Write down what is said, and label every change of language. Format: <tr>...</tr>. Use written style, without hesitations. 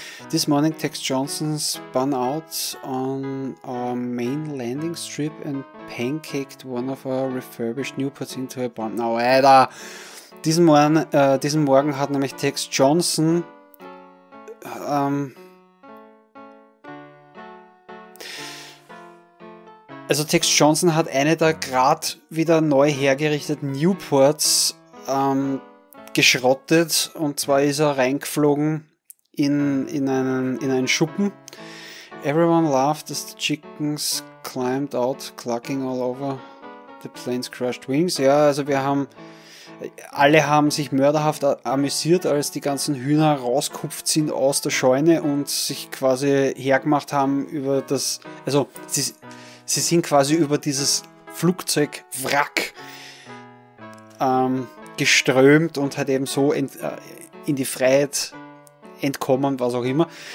<en>This morning Tex Johnson spun out on our main landing strip and pancaked one of our refurbished Newports into a bomb.</en> <de>Na, Alter! Diesen Morgen hat nämlich Tex Johnson Tex Johnson hat eine der gerade wieder neu hergerichteten Newports geschrottet, und zwar ist er reingeflogen in einen Schuppen.</de> <en>Everyone laughed as the chickens climbed out, clucking all over the plane's crushed wings.</en> <de>Ja, also alle haben sich mörderhaft amüsiert, als die ganzen Hühner rausgekupft sind aus der Scheune und sich quasi hergemacht haben über das, also sie sind quasi über dieses Flugzeugwrack geströmt und hat eben so in die Freiheit entkommen, was auch immer.</de>